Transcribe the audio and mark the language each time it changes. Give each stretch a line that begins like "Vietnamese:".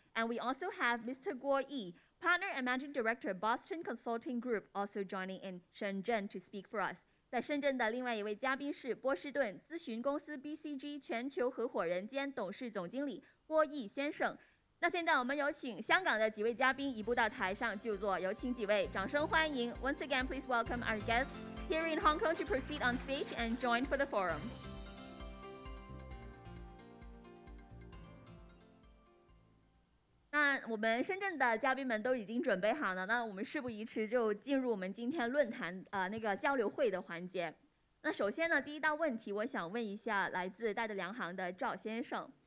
English: And we also have Mr. Guo Yi, Partner and Managing Director Boston Consulting Group, also joining in Shenzhen to speak for us.
Chinese: 在深圳的另外一位嘉宾是波士顿咨询公司 BCG 全球合伙人兼董事总经理郭毅先生。那现在我们有请香港的几位嘉宾移步到台上就坐，有请几位掌声欢迎。
English: Once again, please welcome our guests here in Hong Kong to proceed on stage and join for the forum.
Chinese: 那我们深圳的嘉宾们都已经准备好了，那我们事不宜迟，就进入我们今天论坛那个交流会的环节。那首先呢，第一道问题我想问一下来自戴德梁行的赵先生。